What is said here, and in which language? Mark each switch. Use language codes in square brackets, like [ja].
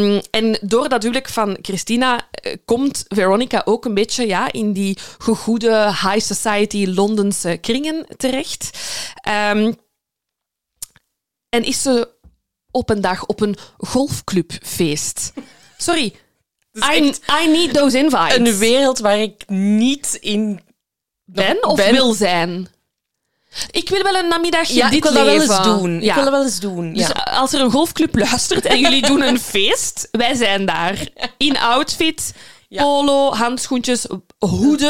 [nl] En door dat huwelijk van Christina komt Veronica ook een beetje in die gegoede high society Londense kringen terecht. En is ze op een dag op een golfclubfeest. [en] Sorry, I need those invites. [nl] Een wereld waar ik niet in ben of ben. Wil zijn. Ik wil wel een namiddagje ja, dit ik wil dat leven. Wel eens doen. Ja. Ik wil dat wel eens doen. Dus als er een golfclub luistert en jullie doen een feest, wij zijn daar. In outfit, polo, handschoentjes, hoeden.